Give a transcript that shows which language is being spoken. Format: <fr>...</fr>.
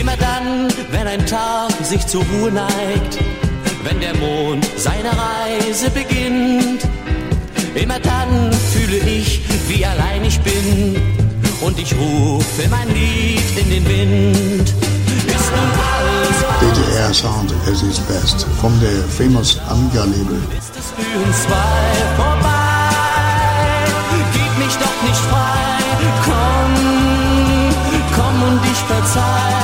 <de>Immer dann, wenn ein Tag sich zur Ruhe neigt, wenn der Mond seine Reise beginnt, immer dann fühle ich, wie allein ich bin, und ich rufe mein Lied in den Wind. Ist nun alles aus.</de> <en>DDR Sound at its best, from the famous Amiga Label.</en> <de>Ist es für uns zwei vorbei, gib mich doch nicht frei, komm, komm und ich verzeih.</de>